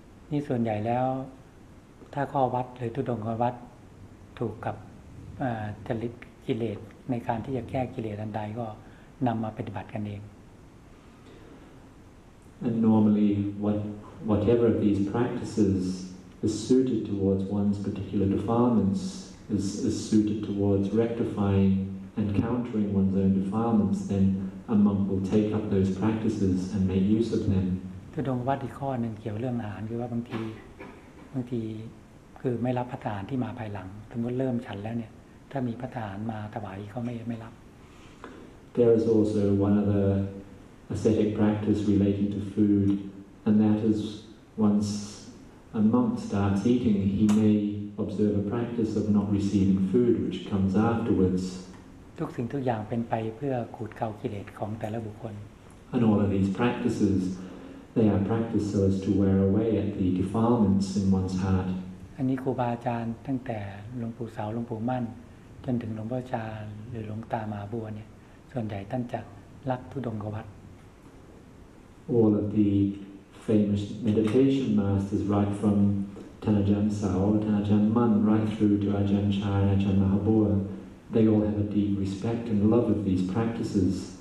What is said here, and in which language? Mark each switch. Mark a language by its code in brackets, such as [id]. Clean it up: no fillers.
[th] นี่ส่วนใหญ่แล้วถ้าข้อวัดหรือทุดงข้อวัดถูกกับจริตกิเลสในการที่จะแก้กิเลสอันใดก็นำมาปฏิบัติกันเอง [en] And normally, whatever of these practices is suited towards one's particular defilements is suited towards rectifying and countering one's own defilements then a monk will take up those practices and make use of them [th] ทุดงวัดอีกข้อหนึ่งเกี่ยวเรื่องอาหารคือว่าบางทีคือไม่รับพระทานที่มาภายหลังสมมติเริ่มฉันแล้วเนี่ยถ้ามีพระทานมาถวายเขาไม่รับ [en] There is also one other ascetic practice relating to foodAnd that is, once a monk starts eating, he may observe a practice of not receiving food, which comes afterwards. [th] ทุกสิ่งทุกอย่างเป็นไปเพื่อขูดเกากิเลสของแต่ละบุคคล [en] And all of these practices, they are practiced so as to wear away at the defilements in one's heart. [th] อันนี้ครูบาอาจารย์ตั้งแต่หลวงปู่เสาหลวงปู่มั่นจนถึงหลวงพ่อจารย์หรือหลวงตามหาบัวเนี่ยส่วนใหญ่ท่านจะรักทุดงควัด [en] All of theFamous meditation masters, right from Thanajan Sao, Thanajan Man, right through to Ajahn Chah and Ajahn Mahabua, they all have a deep respect and love of these practices.